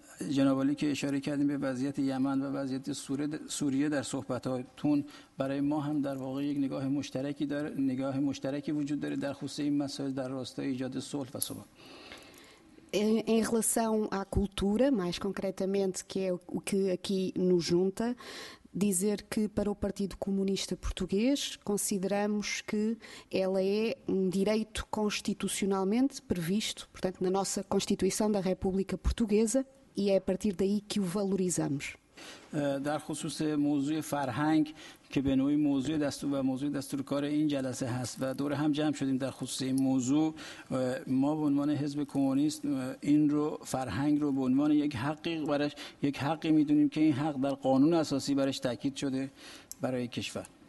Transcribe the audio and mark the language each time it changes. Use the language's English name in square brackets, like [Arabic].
[Persian] جناب‌عالی که اشاره کردیم به وضعیت یمن و وضعیت سوریه در صحبت‌هاتون برای ما هم در واقع یک نگاه مشترکی وجود داره در خصوص این مسائل در راستای ایجاد صلح و ثبات. [Portuguese] Em relação à cultura, mais concretamente, que é o que aqui nos junta, dizer que para o Partido Comunista Português consideramos que ela é um direito constitucionalmente previsto, portanto, na nossa Constituição da República Portuguesa, e é a partir daí que o valorizamos. [Persian] در خصوص موضوع فرهنگ که به نوعی موضوع دستور و موضوع دستورکار این جلسه هست و دور هم جمع شدیم در خصوص این موضوع ما به عنوان حزب کمونیست این رو فرهنگ رو به عنوان یک حقی براش یک حقی میدونیم که این حق در قانون اساسی براش تاکید شده برای کشور